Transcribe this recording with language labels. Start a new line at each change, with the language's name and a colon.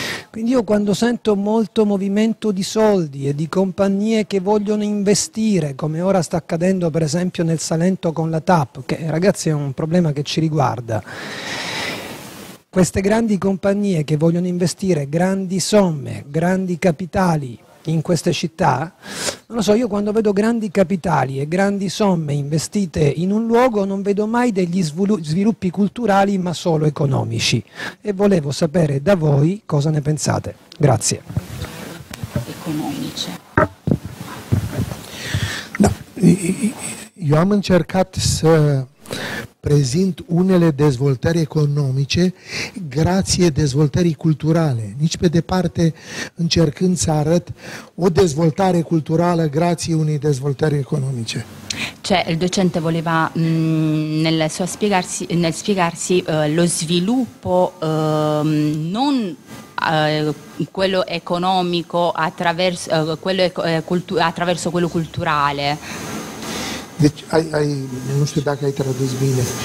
Italian: Quindi io quando sento molto movimento di soldi e di compagnie che vogliono investire, come ora sta accadendo per esempio nel Salento con la TAP, che ragazzi è un problema che ci riguarda, queste grandi compagnie che vogliono investire grandi somme, grandi capitali in queste città, non lo so, io quando vedo grandi capitali e grandi somme investite in un luogo non vedo mai degli sviluppi culturali ma solo economici. E volevo sapere da voi cosa ne pensate. Grazie. Economici. No, io ho cercato
Romanian: să prezint unele dezvoltări economice grație dezvoltării culturale. Nici pe departe încercând să arăt o dezvoltare culturală grație unei dezvoltări economice.
Italian: Cioè, il docente voleva nel spiegarsi lo sviluppo non quello economico attraverso attraverso quello culturale.
Romanian: Deci, nu știu dacă ai tradus bine.